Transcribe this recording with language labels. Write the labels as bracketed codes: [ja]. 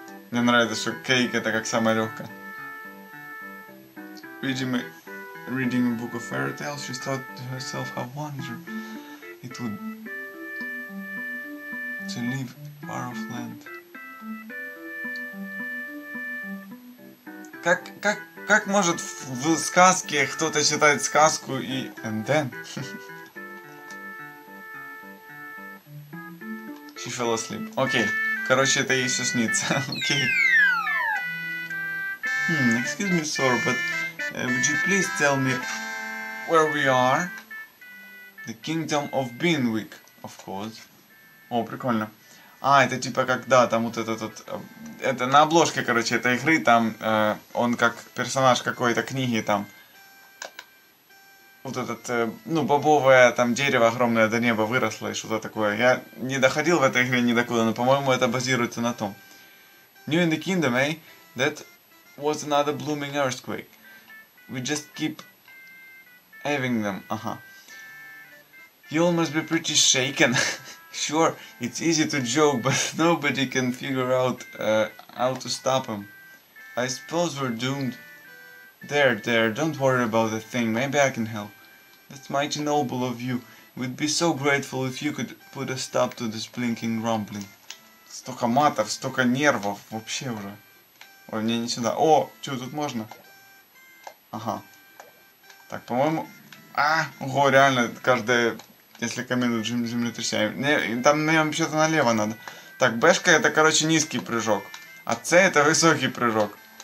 [ru] Мне нравится, что кейк это как самая легкая. Видимо, [en] reading a book of fairy tales, she thought to herself how wonderful it would to live far off land. [ru] Как может в сказке кто-то читать сказку и... [en] And then... She fell asleep. [ru] Окей. Короче, это ей все снится. Окей. [en] Excuse me, sir, but... would you please tell me where we are? The kingdom of Beanwick, of course. [ru] О, прикольно. А, это типа как, да, там вот этот... Это на обложке, короче, этой игры, там... он как персонаж какой-то книги, там... Вот этот, ну, бобовое там дерево огромное до неба выросло и что-то такое. Я не доходил в этой игре ни до куда, но, по-моему, это базируется на том. [en] New in the kingdom, eh? That was another blooming earthquake. We just keep having them. [ru] Ага. [en] You all must be pretty shaken. Sure, it's easy to joke, but nobody can figure out how to stop them. I suppose we're doomed. There, don't worry about the thing. Maybe I can help. That's mighty noble of you. We'd be so grateful if you could put a stop to this blinking rumbling. [ru] Столько матов, столько нервов. Вообще уже. Ой, мне не сюда. О, что, тут можно? Ага. Так, по-моему... А, ого, реально, каждое... Несколько минут землетрясения. Там мне вообще-то налево надо. Так, Бшка это, короче, низкий прыжок. А С это высокий прыжок.